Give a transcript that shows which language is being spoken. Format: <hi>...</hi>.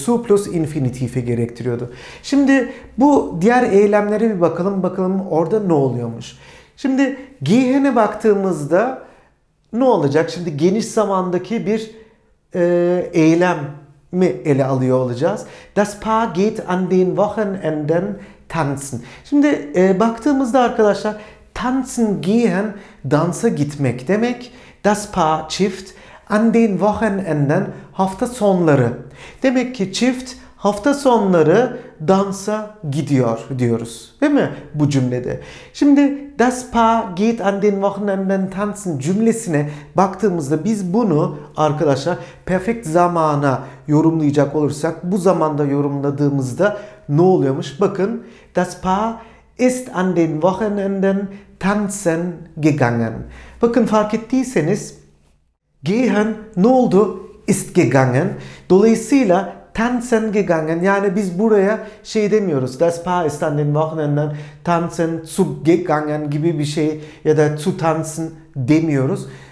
<tr>Zu plus infinitif'i gerektiriyordu. Şimdi bu diğer eylemlere bir bakalım. Bakalım orada ne oluyormuş. Şimdi gehen'e baktığımızda ne olacak? Şimdi geniş zamandaki bir eylem mi ele alıyor olacağız?</tr> <de>Das Paar geht an den Wochenenden tanzen.</de> <tr>Şimdi baktığımızda arkadaşlar</tr> <de>tanzen gehen</de> <tr>dansa gitmek demek.</tr> <de>Das Paar</de> <tr>çift</tr> <de>an den Wochenenden</de> <tr>hafta sonları. Demek ki çift hafta sonları dansa gidiyor diyoruz. Değil mi bu cümlede? Şimdi</tr> <de>das Paar geht an den Wochenenden tanzen</de> <tr>cümlesine baktığımızda biz bunu arkadaşlar perfekt zamana yorumlayacak olursak bu zamanda yorumladığımızda ne oluyormuş?</tr> <de>Bakın das Paar ist an den Wochenenden tanzen gegangen.</de> <tr>Bakın fark ettiyseniz gehen ne oldu?</tr> <de>Ist gegangen.</de> <tr>Dolayısıyla</tr> <de>tanzen gegangen.</de> <tr>Yani biz buraya şey demiyoruz.</tr> <de>Das Paar ist an den Wochenenden tanzen zu gegangen</de> <tr>gibi bir şey ya da</tr> <de>zu tanzen</de> <tr>demiyoruz.</tr>